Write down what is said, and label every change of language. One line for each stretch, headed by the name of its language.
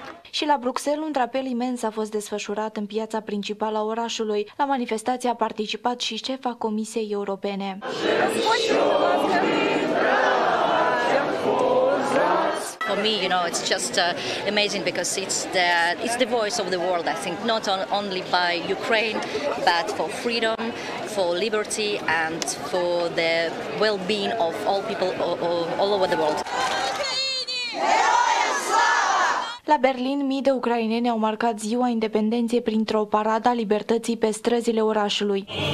Romanian: Și la Bruxelles, un drapel imens a fost desfășurat în piața principală a orașului. La manifestație a participat și șefa Comisiei Europene.
English: For me, you know, it's just amazing because it's the voice of the world, I think, not only by Ukraine, but for freedom, for liberty and for the well-being of all people all over the world.
Romanian: La Berlin, mii de ucraineni au marcat ziua independenței printr-o paradă a libertății pe străzile orașului.